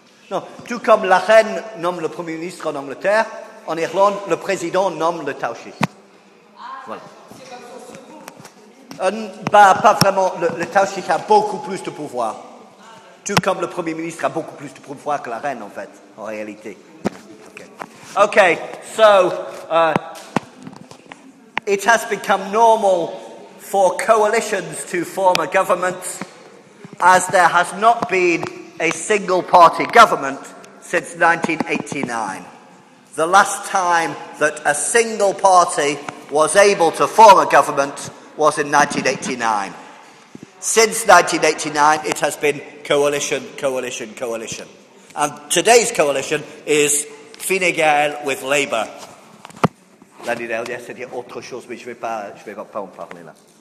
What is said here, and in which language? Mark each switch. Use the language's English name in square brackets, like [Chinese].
[French] Non, tout comme la reine nomme le premier ministre en Angleterre, en Irlande, le président nomme le Taoiseach. Voilà. Pas vraiment. Le Taoiseach a beaucoup plus de pouvoir. Tout comme le premier ministre a beaucoup plus de pouvoir que la reine, en fait, en réalité. Okay. [English] Okay, so it has become normal for coalitions to form a government, as there has not been a single party government since 1989. The last time that a single party was able to form a government was in 1989. Since 1989, it has been coalition, coalition, coalition. And today's coalition is Fine Gael with Labour. [French] Daniel, yes, il y a autre chose, mais je vais pas en parler là.